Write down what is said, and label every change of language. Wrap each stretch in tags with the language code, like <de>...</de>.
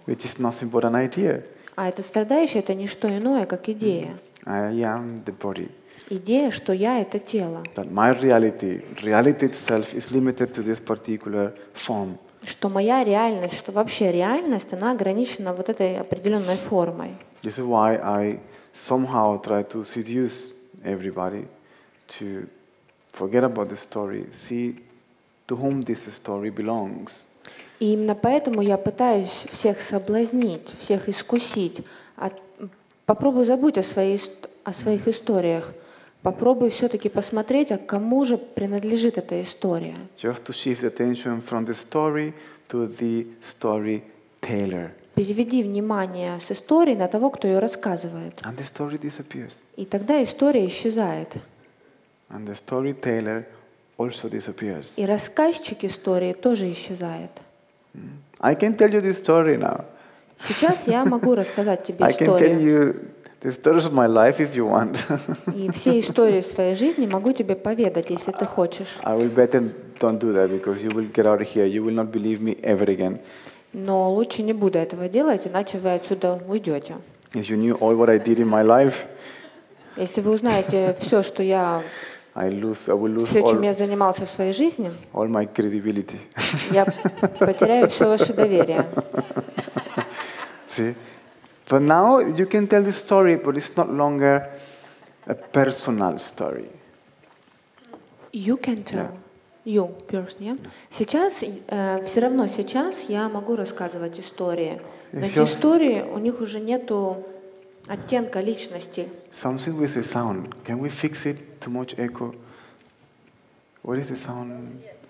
<en>Which is nothing but an idea.</en> <ru>А это страдающее — это не что иное, как идея.</ru> <en>I am the body.</en> <ru>Идея, что я — это тело.</ru> <en>That my reality, reality itself is limited to this particular form.</en> <ru>Что моя реальность, что вообще реальность, она ограничена вот этой определенной формой.</ru> <en>This is why I somehow try to seduce everybody to forget about the story, see to whom this story belongs.</en> <ru>И именно поэтому я пытаюсь всех соблазнить, всех искусить. Попробую забыть о своих историях. Попробуй все-таки посмотреть, а кому же принадлежит эта история.</ru> <en>Just to shift attention from the story to the storyteller.</en> <ru>Переведи внимание с истории на того, кто ее рассказывает.</ru> <en>And the story disappears.</en> <ru>И тогда история исчезает.</ru> <en>And the storyteller also disappears.</en> <ru>И рассказчик истории тоже исчезает.</ru> <en>I can tell you this story now.</en> <ru>Сейчас я могу рассказать тебе историю.</ru> <en>I can tell you the stories of my life, if you want.</en> <ru>И все истории своей жизни могу тебе поведать, если ты хочешь.</ru> <en>I will better don't do that because you will get out of here. You will not believe me ever again.</en> <ru>Но лучше не буду этого делать, иначе вы отсюда уйдете.</ru> <en>If you knew all what I did in my life.</en> <ru>Если вы узнаете все, что я.</ru> <en>I will lose</en> <ru>все, чем я занимался в своей жизни.</ru> <en>All my credibility.</en> <ru>Я потеряю все ваше доверие.</ru> <en>See? But now you can tell the story, but it's not longer a personal story. You can tell you personally.</en> <ru>Сейчас все равно сейчас я могу рассказывать истории. Но эти истории у них уже нету оттенка личности.</ru> <en>Something with the sound. Can we fix it? Too much echo. What is the sound?</en>